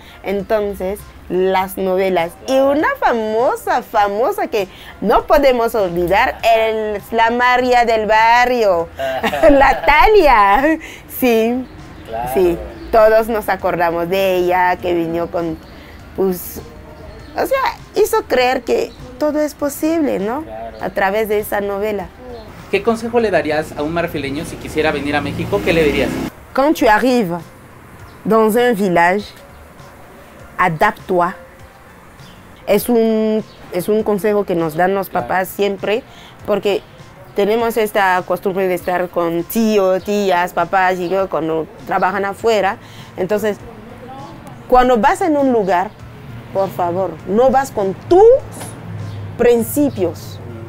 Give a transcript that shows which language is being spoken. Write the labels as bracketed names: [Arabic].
[Spanish] Entonces, las novelas. Y una famosa, famosa que no podemos olvidar, es la María del Barrio, la Talia. Sí, claro. Sí, todos nos acordamos de ella, que vino con, pues, o sea, hizo creer que todo es posible, ¿no? A través de esa novela. ¿Qué consejo le darías a un marfileño si quisiera venir a México? ¿Qué le dirías? [French] Quand tu arrives dans un village, adapte-toi. [Spanish] Es un consejo que nos dan los papás siempre, porque tenemos esta costumbre de estar con tíos, tías, papás, y yo cuando trabajan afuera. Entonces, cuando vas en un lugar, por favor, no vas con tus principios.